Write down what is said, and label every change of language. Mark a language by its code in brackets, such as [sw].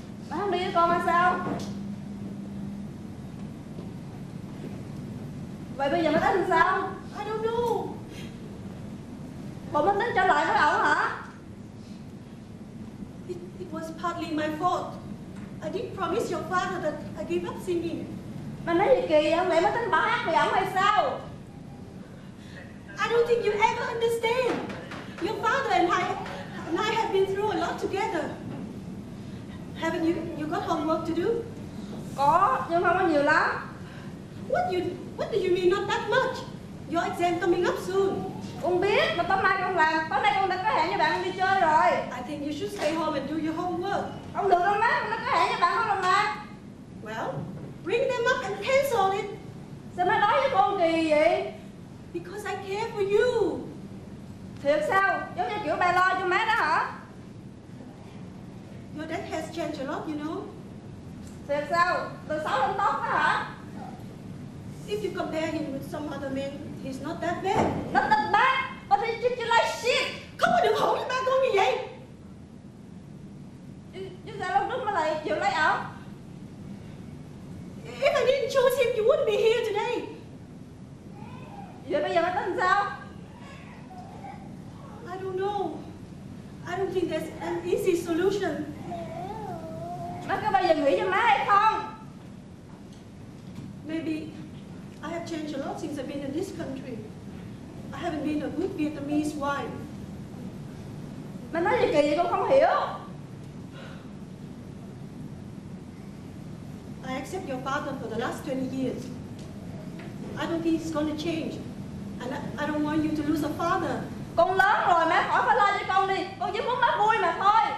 [vi] Má không đi với con hay sao? Vậy bây giờ má tính làm sao? [en] I don't know. [vi] Bộ má tính trở lại với ổng hả? [en] It was partly my fault. I did promise your father that I gave up singing. [vi] Mà nói gì kỳ vậy? Lẽ má tính bỏ hát về ổng hay sao? [en] I don't think you ever understand. Your father and I have been through a lot together. Haven't you got homework to do? [vi] Có, nhưng không có nhiều lắm. [en] What do you mean not that much? Your exam coming up soon. [vi] Con biết, mà tối mai con làm. Tối nay con đã có hẹn với bạn con đi chơi rồi. [en] I think you should stay home and do your homework. [vi] Không được đâu má, con đã có hẹn với bạn con rồi mà. [en] Well, bring them up and cancel it. [vi] Sao má nói với con kỳ vậy? [en] Because I care for you. [vi] Thiệt sao? Giống như kiểu ba lo cho má đó hả? [en] Your dad has changed a lot, you know. [vi] Thiệt sao? Từ xấu đến tốt đó hả? [en] If you compare him with some other men, he's not that bad. Not that bad? But he treats you like shit. [vi] Không có được hổ với ba con như vậy. Chứ sao lâu đúng mà lại chịu lấy ổng? [en] If I didn't choose him, you wouldn't be here today. [vi] Vậy bây giờ mà tính sao? [en] I don't know. I don't think there's an easy solution. [vi] Má có bao giờ nghĩ cho má hay không? [en] Maybe I have changed a lot since I've been in this country. I haven't been a good Vietnamese wife. [vi] Má nói gì kỳ vậy, con không hiểu. [en] I accept your father for the last 20 years. I don't think it's going to change. And I don't want you to lose a father. [vi] Con lớn rồi, má khỏi phải lo cho con đi. Con chỉ muốn má vui mà thôi.